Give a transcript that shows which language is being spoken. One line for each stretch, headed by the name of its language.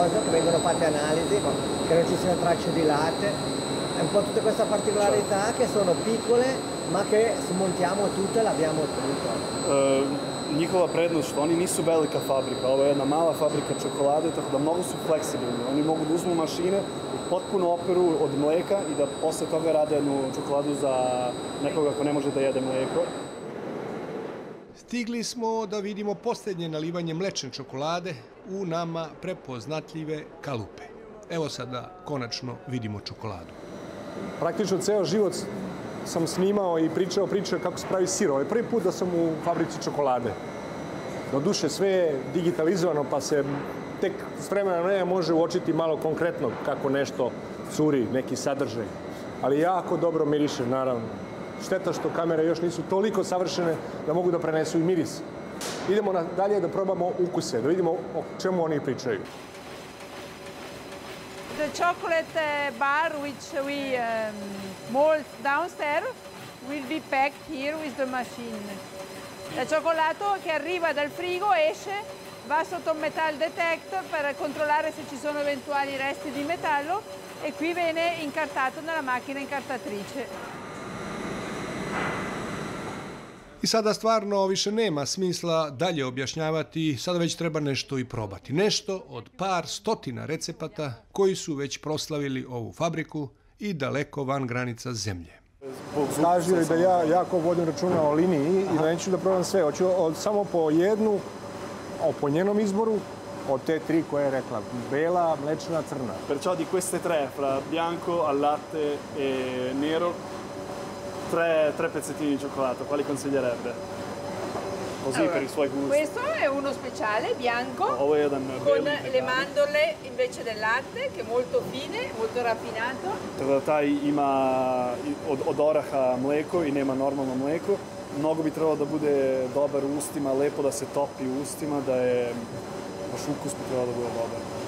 Italian: Vengono fatte analisi, che non ci siano tracce di latte. È un po' tutta questa particolarità, certo. Che sono piccole, ma che smontiamo tutte e l'abbiamo ottenuto.
Serbian: Njihova prednost, što oni nisu velika fabrika, ovo je jedna mala fabrika čokolade, tako da mnogo su fleksibilni. Oni mogu da uzmu mašine, potpuno operu od mlijeka i da posle toga rade jednu čokoladu za nekoga ko ne može da jede mlijeko. Stigli smo da vidimo posljednje nalivanje mlečne čokolade u nama prepoznatljive kalupe. Evo sada konačno vidimo čokoladu. Praktično ceo život sam snimao i pričao kako se pravi sir. Ovo je prvi put da sam u fabrici čokolade. Doduše sve je digitalizovano pa se tek s vremena na vreme može uočiti malo konkretno kako nešto curi, neki sadržaj. Ali jako dobro miriše, naravno. Šteta što kamere još nisu toliko savršene da mogu da prenesu i miris. Idemo dalje da probamo ukuse, da vidimo o čemu oni pričaju.
English: The chocolate bar which we mold downstairs will be packed here with the machine.
Italian: Il cioccolato che arriva dal frigo esce, va sotto un metal detector per controllare se ci sono eventuali resti di metallo e qui viene incartato nella macchina incartatrice.
Serbian: I sada stvarno više nema smisla dalje objašnjavati, sada već treba nešto i probati. Nešto od par stotina recepata koji su već proslavili ovu fabriku i daleko van granica zemlje. Kažu da ja jako vodim računa o liniji i da neću da probam sve. Hoću samo po jednu, po njenom izboru, od te tri koje je rekla. Bela, mlečna, crna.
Italian: Perciò di queste tre, fra bianco, al latte e nero, tre pezzettini di cioccolato, quali consiglierebbe? Così allora, per i suoi gusti. Questo è uno speciale bianco con le mandorle invece del latte, che è molto fine, molto raffinato.
Serbian: Tra taj ima od oraha mleko i nema normalno mleko. Mnogo bi trebalo da bude dobar u ustima, lepo da se topi u ustima, da je baš ukus bi trebalo da bude dobar.